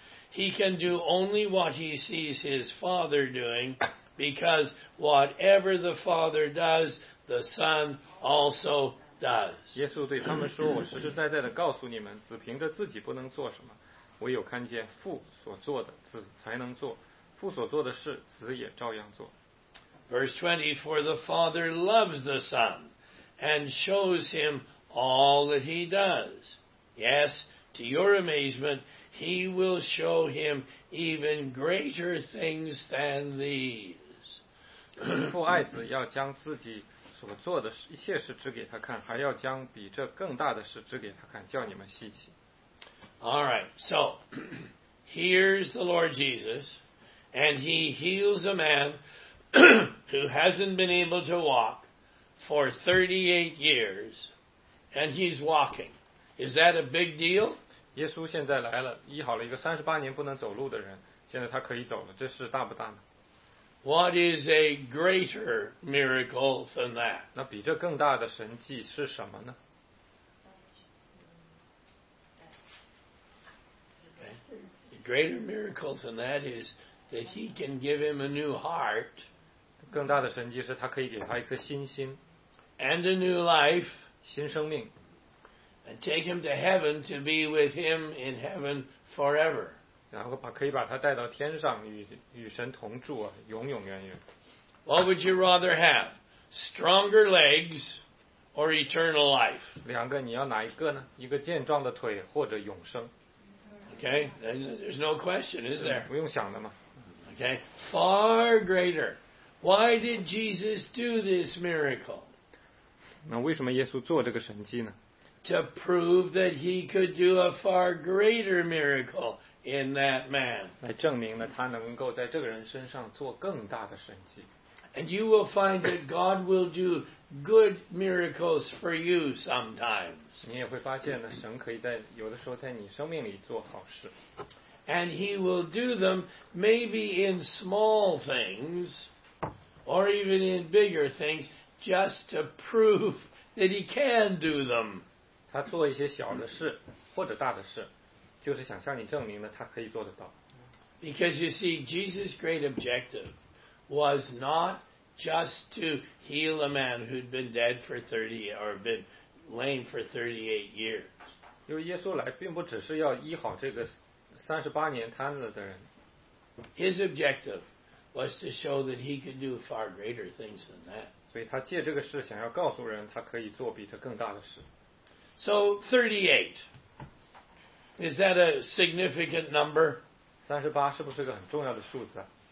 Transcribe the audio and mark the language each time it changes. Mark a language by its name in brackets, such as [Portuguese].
[English] He can do only what he sees his Father doing, because whatever the Father does, the Son also does. [Chinese] 耶稣对他们说，我实实在在地告诉你们，子凭着自己不能做什么，唯有看见父所做的，子才能做，父所做的事，子也照样做。 [English] Verse 20, for the Father loves the Son and shows him all that he does. Yes, to your amazement, he will show him even greater things than these. [Chinese] 父爱子要将自己所做的一切事指给他看，还要将比这更大的事指给他看，叫你们稀奇。 [English] All right, so here's the Lord Jesus, and he heals a man who hasn't been able to walk for 38 years. And he's walking. Is that a big deal? [Chinese] 耶稣现在来了，医好了一个38年不能走路的人，现在他可以走了，这事大不大呢？ [English] What is a greater miracle than that? [Chinese] 那比这更大的神迹是什么呢？ [English] Okay. A greater miracle than that is that he can give him a new heart. [Chinese] 更大的神迹是他可以给他一颗新心。 [English] And a new life. [Chinese] 新生命, [English] and take him to heaven to be with him in heaven forever. [Chinese] 然后把可以把他带到天上与神同住啊，永永远远。 [English] What would you rather have? Stronger legs or eternal life? [Chinese] 两个你要哪一个呢？一个健壮的腿或者永生。 [English] Okay, then there's no question, is there? [Chinese] 不用想的嘛。 [English] Okay, far greater. Why did Jesus do this miracle? [Chinese] 那为什么耶稣做这个神迹呢？ [English] To prove that he could do a far greater miracle in that man. [Chinese] 来证明呢，他能够在这个人身上做更大的神迹。 [English] And you will find that God will do good miracles for you sometimes. [Chinese] 你也会发现呢，神可以在有的时候在你生命里做好事。 [English] And he will do them maybe in small things or even in bigger things. Just to prove that he can do them. [Chinese] 他做一些小的事或者大的事，就是想向你证明呢，他可以做得到。 [English] Because you see, Jesus' great objective was not just to heal a man who'd been dead for 38 years. [Chinese] 因为耶稣来并不只是要医好这个38年瘫了的人。 [English] His objective was to show that he could do far greater things than that. [Chinese] 所以他借这个事想要告诉人，他可以做比这更大的事。 [English] So 38, is that a significant number? [Chinese] 38是不是个很重要的数字啊？